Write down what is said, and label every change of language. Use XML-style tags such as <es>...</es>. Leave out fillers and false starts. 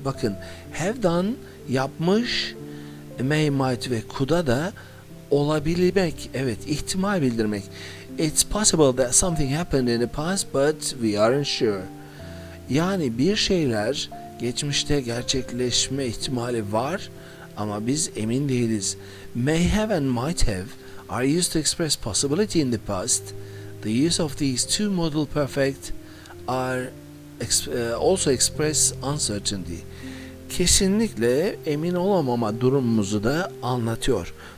<tr>Bakın, have done yapmış, may, might ve could'a da olabilmek, evet, ihtimal bildirmek.</tr> <en>It's possible that something happened in the past, but we aren't sure.</en> <tr>Yani bir şeyler geçmişte gerçekleşme ihtimali var ama biz emin değiliz.</tr> <en>May have and might have are used to express possibility in the past. The use of these two modal perfect are also express uncertainty.</en> <tr>Kesinlikle emin olamama durumumuzu da anlatıyor.</tr>